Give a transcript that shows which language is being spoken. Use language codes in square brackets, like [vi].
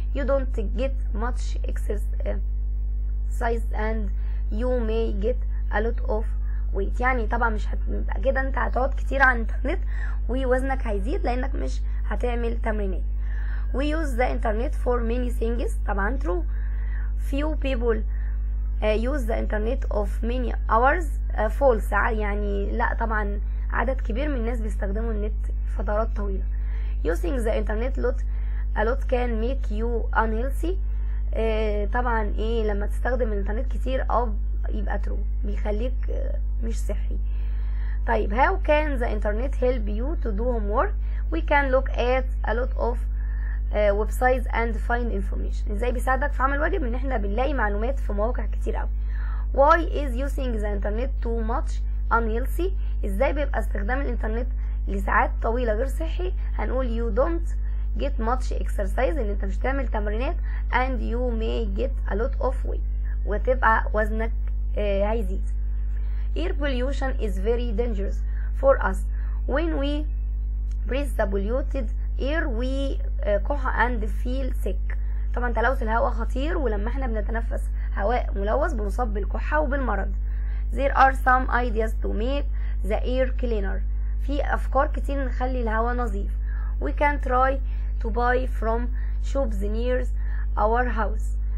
[en] You don't get much exercise and you may get a lot of weight. [ar] يعني طبعا مش هتبقى كده, انت هتقعد كتير على الانترنت ووزنك هيزيد لانك مش هتعمل تمرينات. [en] We use the internet for many things. طبعا true. Few people use the internet of many hours. False. [ar] يعني لا طبعا عدد كبير من الناس بيستخدموا النت فترات طويلة. [en] Using the internet a lot can make you unhealthy. [ar] طبعا ايه لما تستخدم الانترنت كتير يبقى ترو, بيخليك مش صحي. [en] طيب how can the internet help you to do homework? We can look at a lot of websites and find information. [ar] ازاي بيساعدك في عمل واجب؟ ان احنا بنلاقي معلومات في مواقع كتير قوي. [en] Why is using the internet too much unhealthy? [ar] ازاي بيبقى استخدام الانترنت لساعات طويلة غير صحي؟ هنقول [en] you don't get much exercise, [ar] ان انت مش تعمل تمرينات, [en] and you may get a lot of weight, [ar] وتبقى وزنك هيزيد. [en] Air pollution is very dangerous for us. When we breathe the polluted air, we cough and feel sick. [ar] طبعا تلوث الهواء خطير, ولما احنا بنتنفس هواء ملوث بنصاب بالكحة وبالمرض. [en] There are some ideas to make the air cleaner. [ar] في افكار كتير نخلي الهواء نظيف. [en] We can try to buy from shops near our house.